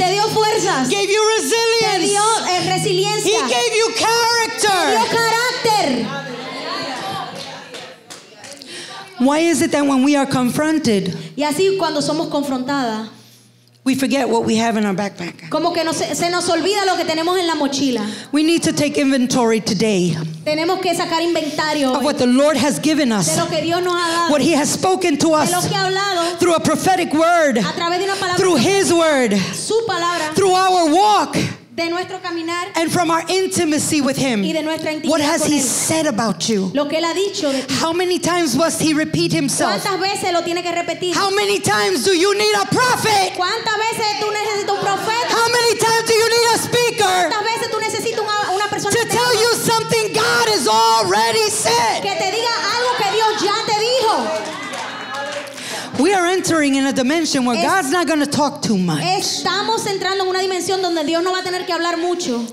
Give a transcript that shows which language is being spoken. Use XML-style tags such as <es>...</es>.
<es>Te dio fuerzas.</es> <en>Gave you resilience.</en> <es>Te dio resiliencia.</es> <en>He gave you character.</en> <es>Te dio carácter.</es> <en>Why is it that when we are confronted?</en> <es>Y así cuando somos confrontadas.</es> <en>We forget what we have in our backpack.</en> <es>Como que se nos olvida lo que tenemos en la mochila.</es> <en>We need to take inventory today.</en> <es>Tenemos que sacar inventario.</es> <en>Of what the Lord has given us.</en> <es>De lo que Dios nos ha dado.</es> <en>What he has spoken to us.</en> <es>De lo que ha hablado.</es> <en>Through a prophetic word.</en> <es>A través de una palabra.</es> <en>Through his word.</en> <es>Su palabra.</es> <en>Through our walk.</en> <es>de nuestro caminar,</es> <en>and from our intimacy with him,</en> <es>y de nuestra intimidad</es> <en>what has con he él. Said about you?</en> <es>Lo que él ha dicho de ti.</es> <en>How many times must he repeat himself?</en> <es>¿Cuántas veces lo tiene que repetir?</es> <en>How many times do you need a prophet?</en> <es>¿Cuántas veces tú necesitas un profeta?</es> <en>How many times do you need a speaker?</en> <es>¿Cuántas veces tú necesitas una persona</es> <en>to tell you something God has already said?</en> <es>Que te diga algo que Dios ya te dijo.</es> <en>We are entering in a dimension where God's not going to talk too much.</en> <es>Estamos entrando en una dimensión donde Dios no va a tener que hablar mucho.</es>